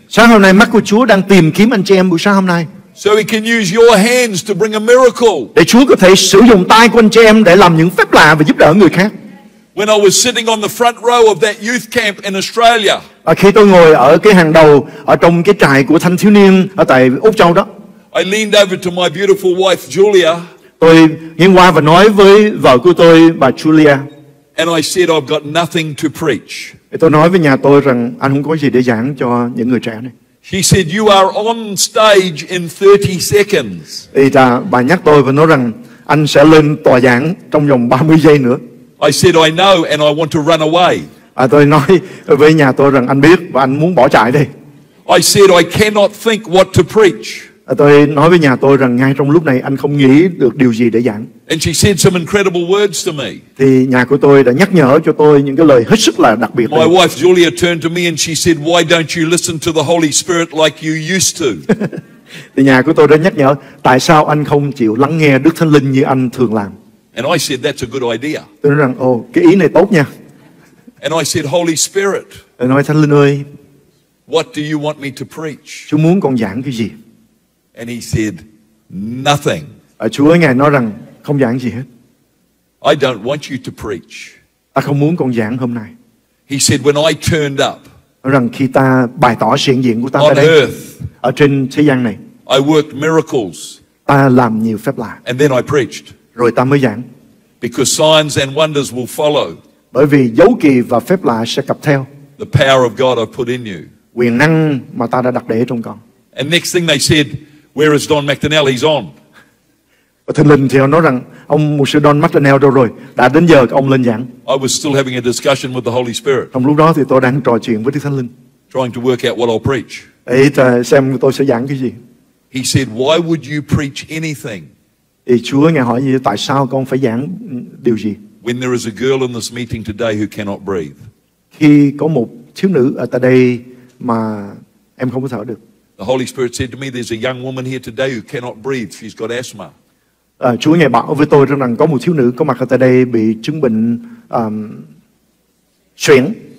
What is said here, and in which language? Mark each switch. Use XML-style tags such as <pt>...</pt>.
<vi>Sáng hôm nay mắt của Chúa đang tìm kiếm anh chị em buổi sáng hôm nay.</vi> <en>So he can use your hands to bring a miracle.</en> <vi>Để Chúa có thể sử dụng tay của anh chị em để làm những phép lạ và giúp đỡ người khác.</vi> <en>When I was sitting on the front row of that youth camp in Australia.</en> <vi>À, khi tôi ngồi ở cái hàng đầu ở trong cái trại của thanh thiếu niên ở tại Úc Châu đó.</vi> <en>I leaned over to my beautiful wife Julia.</en> <vi>Tôi nghiêng qua và nói với vợ của tôi, bà Julia.</vi> <en>And I said, I've got nothing to preach.</en> <vi>Tôi nói với nhà tôi rằng anh không có gì để giảng cho những người trẻ này.</vi> <en>She said, you are on stage in 30 seconds.</en> <vi>Bà nhắc tôi và nói rằng anh sẽ lên tòa giảng trong vòng 30 giây nữa.</vi> <en>I said, I know and I want to run away.</en> <vi>Tôi nói với nhà tôi rằng anh biết và anh muốn bỏ chạy đi.</vi> <en>I said, I cannot think what to preach.</en> <vi>Tôi nói với nhà tôi rằng ngay trong lúc này anh không nghĩ được điều gì để giảng.</vi> <en>And she said some incredible words to me.</en> <vi>Thì nhà của tôi đã nhắc nhở cho tôi những cái lời hết sức là đặc biệt.</vi> <en>My wife Julia turned to me and she said, why don't you listen to the Holy Spirit like you used to?</en> <vi>Thì nhà của tôi đã nhắc nhở, tại sao anh không chịu lắng nghe Đức Thánh Linh như anh thường làm?</vi> <en>And I said, that's a good idea.</en> <vi>Tôi nói rằng, oh, cái ý này tốt nha.</vi> <en>And I said, Holy Spirit.</en> <vi>Tôi nói, Thánh Linh ơi.</vi> <en>What do you want me to preach?</en> <vi>Chú muốn con giảng cái gì?</vi> <en>And he said, nothing.</en> <vi>Chúa ngài nói rằng không giảng gì hết.</vi> <en>I don't want you to preach.</en> <vi>Ta không muốn con giảng hôm nay.</vi> <en>He said, when I turned up.</en> <vi>Rằng khi ta bày tỏ sự hiện diện của ta</vi> <en>on</en> <vi>đây,</vi> <en>earth,</en> <vi>ở trên thế gian này,</vi> <en>I worked miracles.</en> <vi>Ta làm nhiều phép lạ.</vi> <en>And then I preached.</en> <vi>Rồi ta mới giảng.</vi> <en>Because signs and wonders will follow.</en> <vi>Bởi vì dấu kỳ và phép lạ sẽ cập theo.</vi> <en>The power of God I put in you.</en> <vi>Quyền năng mà ta đã đặt để trong con.</vi> <en>And next thing they said, where is Don McDonnell? He's on.</en> <vi>Thần linh thì họ nói rằng ông mục sư Don McDonnell đâu rồi? Đã đến giờ ông lên giảng.</vi> <en>I was still having a discussion with the Holy Spirit.</en> <vi>Trong lúc đó thì tôi đang trò chuyện với Đức Thánh Linh.</vi> <en>Trying to work out what I'll preach.</en> <vi>Để xem tôi sẽ giảng cái gì.</vi> <en>He said, why would you preach anything?</en> <vi>Thì Chúa ngài hỏi như vậy, tại sao con phải giảng điều gì?</vi> <en>When there is a girl in this meeting today who cannot breathe.</en> <vi>Khi có một thiếu nữ ở tại đây mà em không có thở được.</vi> <en>The Holy Spirit said to me, there's a young woman here today who cannot breathe. She's got asthma.</en> <vi>Chúa ngài bảo với tôi rằng có một thiếu nữ có mặt ở tại đây bị chứng bệnh suyễn.</vi>